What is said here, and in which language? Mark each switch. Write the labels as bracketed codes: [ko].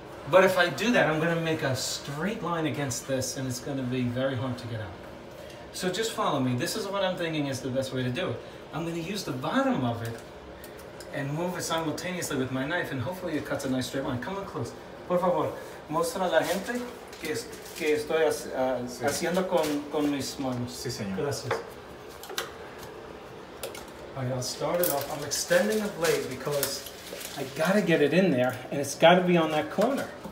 [en] But if I do that, I'm gonna make a straight line against this and it's gonna be very hard to get out. So just follow me. This is what I'm thinking is the best way to do it. I'm gonna use the bottom of it and move it simultaneously with my knife, and hopefully it cuts a nice straight line. Come on close. [es] Por favor, muestra a la gente que estoy haciendo con mis manos. Sí, señor. Gracias. [en] All right, I'll start it off. I'm extending the blade because I gotta get it in there, and it's gotta be on that corner.